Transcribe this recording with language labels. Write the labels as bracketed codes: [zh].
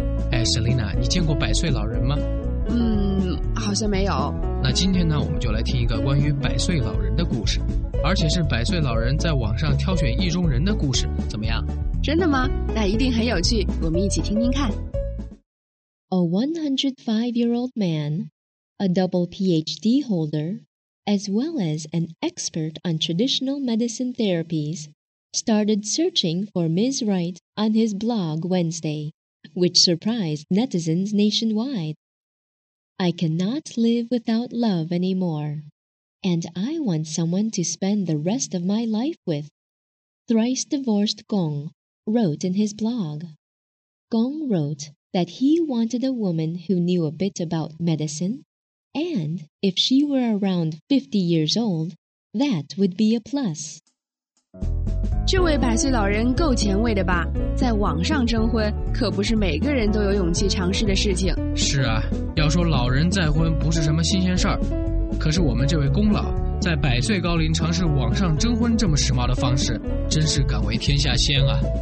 [zh] 哎 ，Selena， 你见过百岁老人吗？好像没有。那今天呢，我们就来听一个关于百岁老人的故事，而且是百岁老人在网上挑选意中人的故事，怎么样？真的吗？那一定很有趣，我们一起听听看。 [en] A 105-year-old man, a double PhD holder, as well as an expert on traditional medicine therapies, started searching for Ms. Wright on his blog Wednesday, which surprised netizens nationwide. I cannot live without love anymore, and I want someone to spend the rest of my life with, thrice divorced Gong. wrote in his blog. Gong wrote that he wanted a woman who knew a bit about medicine, and if she were around 50 years old, that would be a plus. [zh] 这位百岁老人够前卫的吧？在网上征婚可不是每个人都有勇气尝试的事情。是啊，要说老人再婚不是什么新鲜事儿，可是我们这位功劳在百岁高龄尝试网上征婚这么时髦的方式，真是敢为天下先啊。